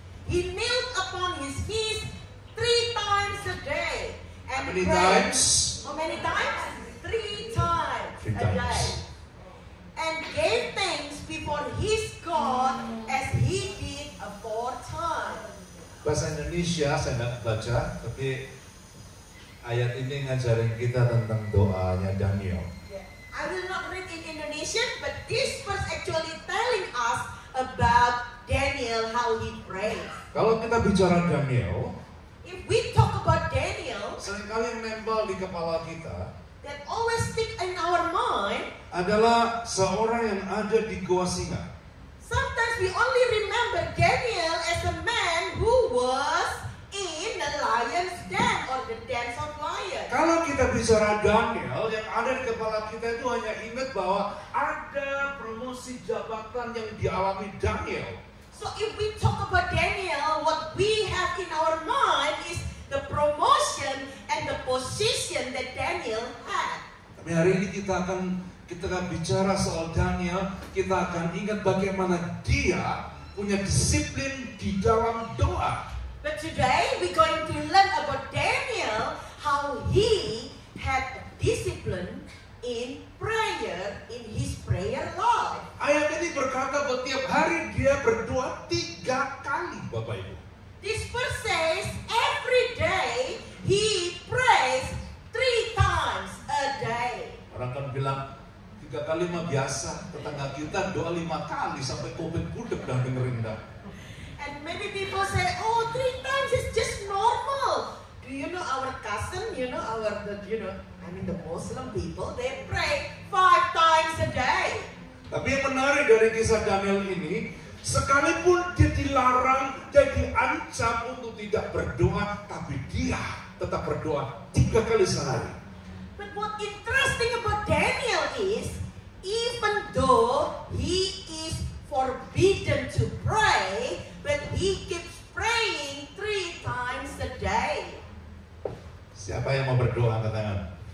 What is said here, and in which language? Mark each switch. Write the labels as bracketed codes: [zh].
[en] He knelt upon his knees 3 times a day and prayed. Three times. And gave thanks before his God as he did aforetime. [id] Bahasa Indonesia saya nggak baca, tapi ayat ini ngajarin kita tentang doanya Daniel. [en] Yeah. I will not read in Indonesian, but this verse actually telling us about Daniel how he prayed. [id] Kalau kita bicara Daniel, [en] if we talk about Daniel, [id] seringkali nempel di kepala kita. [en] That always stick in our mind [id] adalah seorang yang ada di gua singa. [en] Sometimes we only remember Daniel as a man who was in the lion's den or the den of lions. [id] Kalau kita bicara Daniel, yang ada di kepala kita itu hanya ingat bahwa ada promosi jabatan yang dialami Daniel. [en] So if we talk about Daniel, what we have in our mind is the promotion and the position that Daniel had. [id] Tapi hari ini kita akan bicara soal Daniel, kita akan ingat bagaimana dia punya disiplin di dalam doa. [en] But today we're going to learn about Daniel, how he had discipline in prayer, in his prayer life. [id] Ayat ini berkata bahwa tiap hari dia berdoa 3 kali, Bapak Ibu. [en] This verse says every day he prays 3 times a day. [id] Orang kan bilang 3 kali mah biasa, tetangga kita doa 5 kali sampai COVID budek dan dengerin dah. [en] And many people say, oh 3 times is just normal. Do you know our cousin? You know our, the Muslim people, they pray 5 times a day. [id] Tapi yang menarik dari kisah Daniel ini, sekalipun dia dilarang, dia diancam untuk tidak berdoa, tapi dia tetap berdoa 3 kali sehari. [en] But what interesting about Daniel is, even though he is forbidden to pray, but he keeps praying 3 times a day. [id] Siapa yang mau berdoa, angkat tangan.